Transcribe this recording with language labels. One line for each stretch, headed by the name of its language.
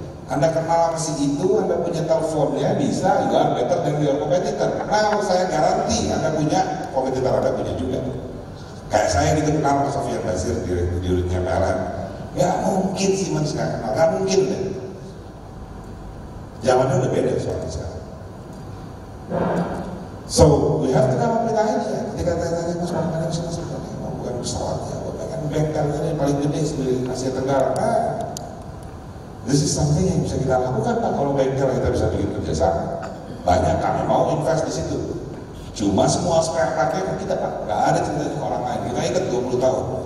Indonesian: Anda kenal sama si itu, Anda punya teleponnya, bisa,
English: you are better than your competitor.
Indonesian: Now saya garanti Anda punya, competitor Anda punya juga. Kayak saya gitu kenal sama Sofian Basir di unitnya PLN. Ya mungkin sih Mas gak kenal, gak mungkin deh. Zamannya udah beda soalnya sekarang.
English: So, we have to come up with idea.
Indonesian: Ketika tanya-tanya, Mas, mana yang bisa masuk? Oh, bukan pesawat ya, gue pengen bengkelnya yang paling gede di Asia Tenggara. Nah,
English: this is something
Indonesian: yang bisa kita lakukan, Pak. Kalau bengkel kita bisa bikin kerjasama. Banyak kami mau invest di situ. Cuma semua spare partnya ke kita, Pak. Gak ada cerita ke orang lain. Kita ikut 20 tahun.